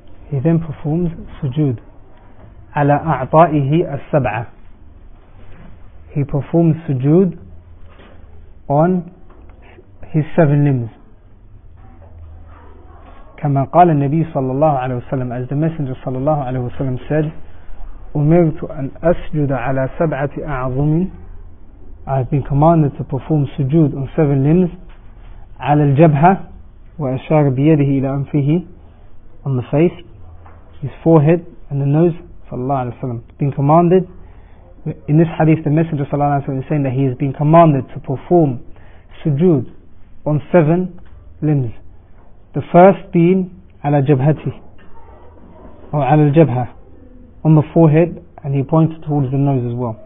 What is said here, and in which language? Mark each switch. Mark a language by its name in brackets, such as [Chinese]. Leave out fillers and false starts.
[English] He then performs sujood. [Arabic] على أعطائه السبعة. [English] He performs sujood on his seven limbs. [Arabic] كما قال النبي صلى الله عليه وسلم, [English] as the messenger [Arabic] صلى الله عليه وسلم said, أمرت أن أسجد على سبعة أعظم, [English] I have been commanded to perform sujood on seven limbs, [Arabic] على الجبهة, وأشار بيده إلى أنفه, [English] on the face, his forehead and the nose, [Arabic] صلى الله عليه وسلم, [English] been commanded. In this hadith the messenger [Arabic] صلى الله عليه وسلم [English] is saying that he has been commanded to perform sujood on seven limbs. The first being ala jabhati, or ala jabha, on the forehead, and he points towards the nose as well.